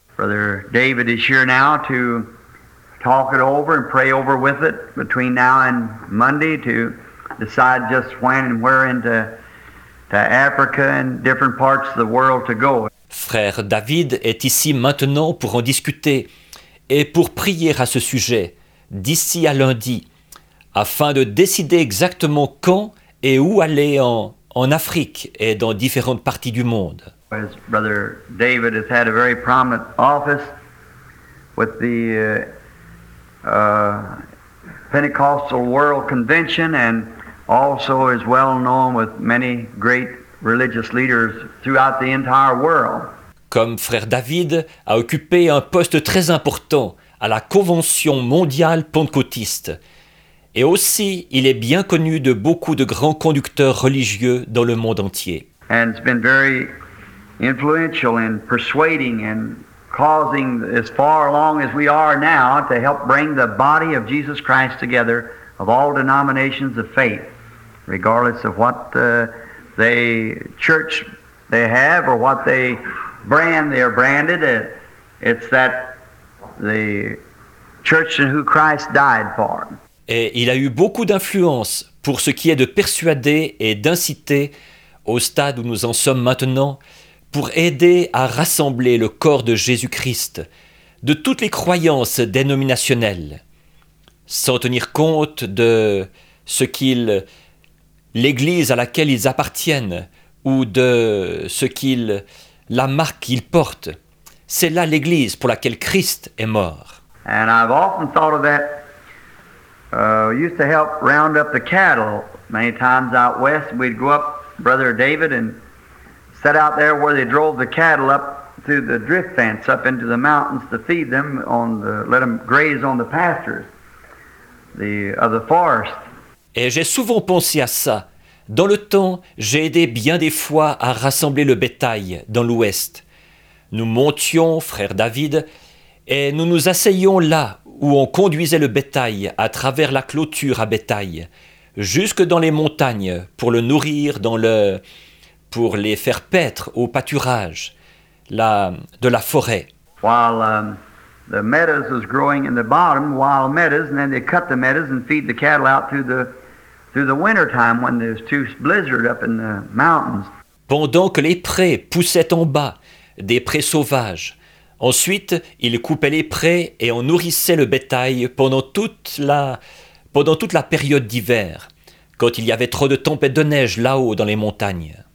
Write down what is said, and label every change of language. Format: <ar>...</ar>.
<en>Brother David is here now to talk it over and pray over with it between now and Monday to decide just when and where into Africa and different parts of the world to go.</en> <fr>Frère David est ici maintenant pour en discuter et pour prier à ce sujet d'ici à lundi afin de décider exactement quand et où aller en Afrique et dans différentes parties du monde.</fr> <en>As Brother David has had a very prominent office with the Pentecostal World Convention and also is well known with many great religious leaders throughout the entire world.</en> <fr>Comme frère David a occupé un poste très important à la Convention mondiale pentecôtiste et aussi il est bien connu de beaucoup de grands conducteurs religieux dans le monde entier.</fr> <en>And it's been very influential in persuading and causing as far along as we are now to help bring the body of Jesus Christ together of all denominations of faith, regardless of what they church they have or what they brand they are branded. It's that the church in who Christ died for.</en> <fr>Et il a eu beaucoup d'influence pour ce qui est de persuader et d'inciter au stade où nous en sommes maintenant pour aider à rassembler le corps de Jésus-Christ de toutes les croyances dénominationnelles, sans tenir compte de ce qu'ils, l'Église à laquelle ils appartiennent, ou de ce qu'il, la marque qu'il porte. C'est là l'Église pour laquelle Christ est mort.</fr> <en>And I've often thought of that. Used to help round up the cattle many times out west. We'd go up, Brother David, and set out there where they drove the cattle up through the drift fence up into the mountains to feed them on the, let them graze on the pastures of the forest.</en> <fr>Et j'ai souvent pensé à ça. Dans le temps, j'ai aidé bien des fois à rassembler le bétail dans l'ouest. Nous montions, frère David, et nous nous asseyions là où on conduisait le bétail à travers la clôture à bétail, jusque dans les montagnes pour le nourrir, pour les faire paître au pâturage de la forêt.</fr> <en>While the meadows was growing in the bottom, wild meadows, and then they cut the meadows and feed the cattle out through the winter time when there's too blizzard up in the mountains.</en> <fr>Pendant que les prés poussaient en bas, des prés sauvages. Ensuite, ils coupaient les prés et on nourrissait le bétail pendant toute la période d'hiver, quand il y avait trop de tempêtes de neige là-haut dans les montagnes.</fr>